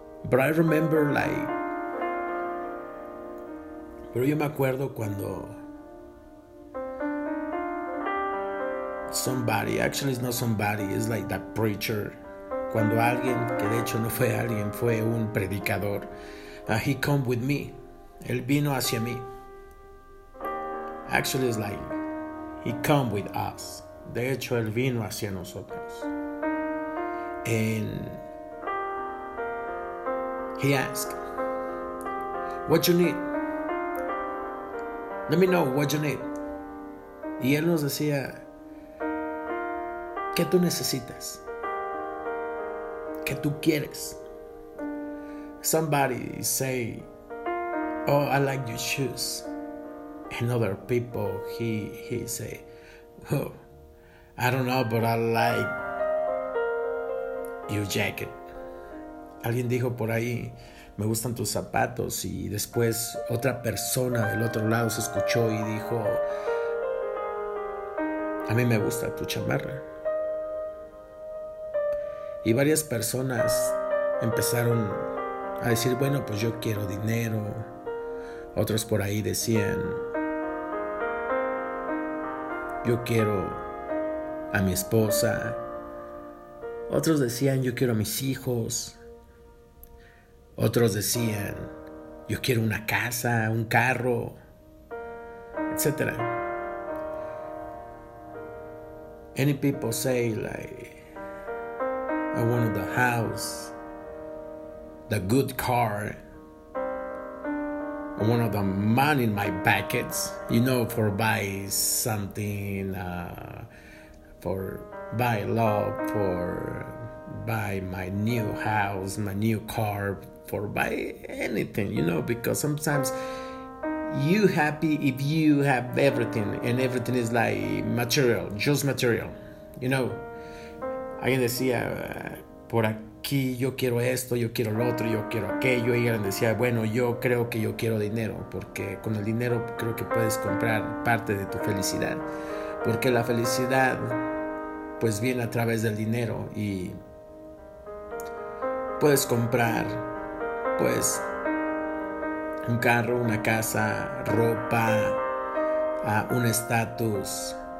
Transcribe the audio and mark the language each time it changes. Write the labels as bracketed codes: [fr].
[en] But I remember like, [es] pero yo me acuerdo cuando [en] somebody, actually it's not somebody, it's like that preacher. [es] Cuando alguien, que de hecho no fue alguien, fue un predicador. [en] He come with me. [es] Él vino hacia mí. [en] Actually it's like, he come with us. [es] De hecho, él vino hacia nosotros. [en] And he asked, what you need? Let me know what you need. [es] Y él nos decía, ¿qué tú necesitas? ¿Qué tú quieres? [en] somebody say, "Oh, I like your shoes." And other people, he say, "Oh, I don't know, but I like your jacket." [es] Alguien dijo por ahí, "Me gustan tus zapatos." Y después otra persona del otro lado se escuchó y dijo, "A mí me gusta tu chamarra." Y varias personas empezaron a decir, "Bueno, pues yo quiero dinero." Otros por ahí decían, "Yo quiero a mi esposa." Otros decían, "Yo quiero a mis hijos." Otros decían, "Yo quiero una casa, un carro, etc." [en] Any people say, like, "I want the house, the good car, I want the money in my pockets, you know, for buy something, for buy love, for buy my new house, my new car, for buy anything, you know, because sometimes you happy if you have everything and everything is like material, just material, you know." [es] Alguien decía, "Por aquí yo quiero esto, yo quiero lo otro, yo quiero aquello." Y alguien decía, "Bueno, yo creo que yo quiero dinero, porque con el dinero creo que puedes comprar parte de tu felicidad, porque la felicidad pues viene a través del dinero y puedes comprar pues un carro, una casa, ropa, un estatus."